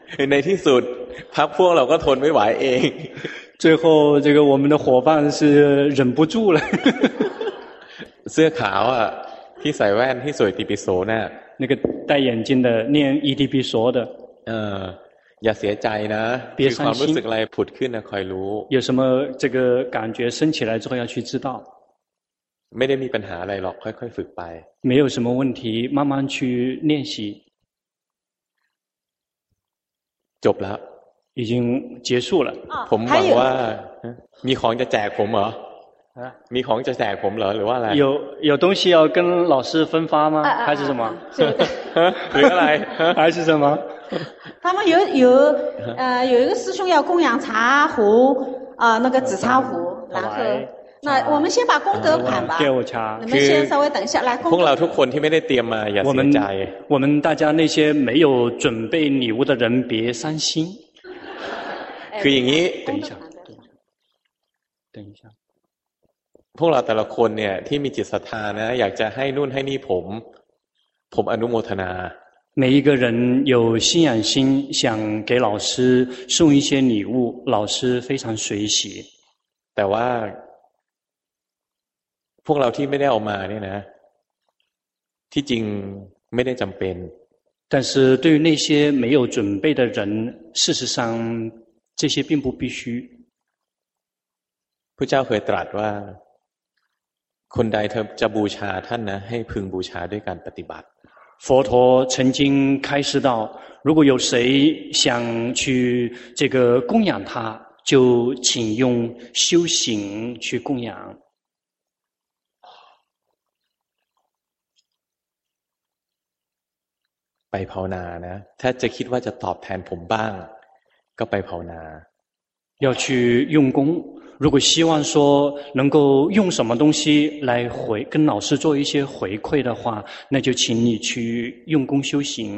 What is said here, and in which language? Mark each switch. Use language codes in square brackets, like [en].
[th] ในที่สุดพักพวกเราก็ทนไม่ไหวเอง [zh] 最后这个我们的伙伴是忍不住了 [th] เสื้อขาวอ่ะที่ใส่แว่นที่สวยติปิโซเนี่ย [zh] 那个戴眼镜的念อีติปิโซ的 [th] อย่าเสียใจนะ คือ ความรู้สึกอะไรผุดขึ้นนะคอยรู้ [zh] 有什么这个感觉升起来之后要去知道 [th] ไม่ได้มีปัญหาอะไรหรอกค่อยๆฝึกไป [zh] 没有什么问题慢慢去练习 [th] จบแล้ว [zh] 已经结束了 [th] ผมหวังว่ามีของจะแจกผมเหรอมีของจะแจกผมเหรอหรือว่าอะไร [zh] 有东西要跟老师分发吗还是什么 [th] หรืออะไร [zh] 还是什么他们有一个师兄要供养茶壶那个紫茶壶然后那我们先把功德款吧给我茶你们先稍微等一下来功德老托昆天没得点嘛也是在我们大家那些没有准备礼物的人别伤心可以你等一下等一下。 [th] พวกเราแต่ละคนเนี่ยที่มีจิตศรัทธานะอยากจะให้นู่นให้นี่ผมอนุโมทนา [zh] 每一个人有信仰心想给老师送一些礼物老师非常随喜 [th] แต่ว่าพวกเราที่ไม่ได้ออกมาเนี่ยนะที่จริงไม่ได้จำเป็น [zh] 但是对于那些没有准备的人事实上这些并不必须 [th] พระเจ้าเคยตรัสว่าคนใดเธอจะบูชาท่านนะให้พึงบูชาด้วยการปฏิบัติ [zh] 佛陀曾经开示道如果有谁想去这个供养他就请用修行去供养 [th] ไปภาวนานะถ้าจะคิดว่าจะตอบแทนผมบ้างก็ไปภาวนา [zh] 要去用功如果希望说能够用什么东西来回跟老师做一些回馈的话那就请你去用功修行